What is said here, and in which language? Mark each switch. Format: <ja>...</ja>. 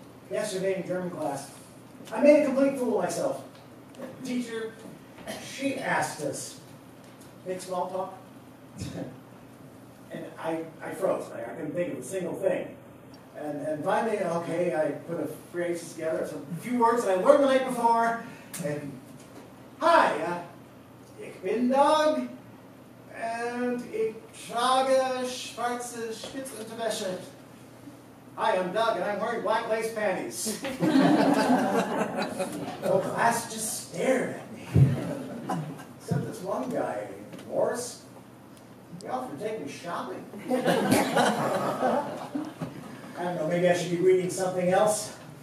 <en>Yesterday in German class, I made a complete fool of myself. The teacher, she asked us, make small talk? And I froze. I couldn't think of a single thing. And finally, okay, I put a phrase together, some few words that I learned the night before. And, hi,</en> <de>ich bin Dog,</de> <en>and</en> <de>ich trage schwarze Spitzunterwäsche.</de> <en>Hi, I'm Doug, and I'm wearing black lace panties. The class just stared at me. Except this one guy, Morris, he offered to take me shopping. I don't know, maybe I should be reading something else.</en>